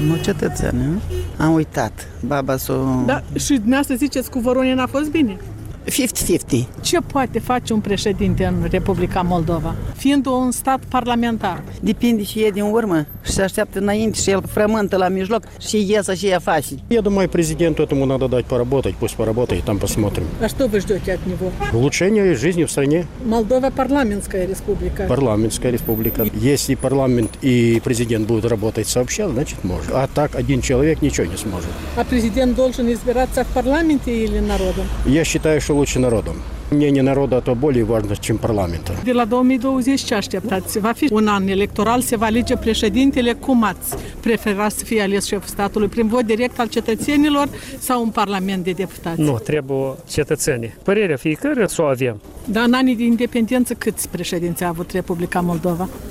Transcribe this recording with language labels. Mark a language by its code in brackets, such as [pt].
[ro] Nu cetățenii, am uitat. Baba s-o... Da, și dumneavoastră ziceți că Voronin a fost bine? 50-50. Ce poate face un președinte în Republica Moldova, fiind un stat parlamentar? Depinde și e din urmă și se așteaptă înainte și el frământă la mijloc și iese și e face. [ru] Я думаю, президенту этому надо дать поработать, пусть поработает, там посмотрим. А что вы ждете от него? Улучшение жизни в стране. Молдова парламентская республика. Парламентская республика. Если парламент и президент будут работать сообща, значит, может. А так один человек ничего не сможет. А президент должен избираться в парламенте или народом? Я считаю, что лучше народом. Мнение народа то более важно, чем парламента. [ro] De la 2020 ce așteptați? Va fi un an electoral, se va alege președintele. Cum ați prefera să fie ales șeful statului? Prin vot direct al cetățenilor sau un parlament de deputați? Nu, trebuie cetățenii. Părerea fiecare s-o avem. Dar în anii de independență câți președinți a avut Republica Moldova?